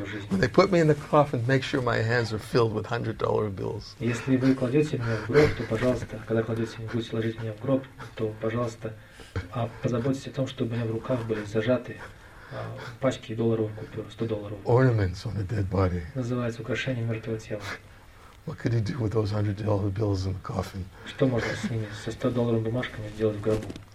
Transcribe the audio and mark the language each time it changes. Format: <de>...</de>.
<en>When they put me in the coffin, make sure my hands are filled with $100 bills.</en> <ru>Если вы кладете меня в гроб, то пожалуйста, когда кладете, будете ложить меня в гроб, то пожалуйста, позаботьтесь о том, чтобы у меня в руках были зажаты пачки долларовых купюр, $100.</ru> <en>Ornaments on a dead body.</en> <ru>Называется украшение мертвого тела.</ru> <en>What could he do with those $100 bills in the coffin?</en> <ru>Что можно с ними, со $100 бумажками сделать в гробу?</ru>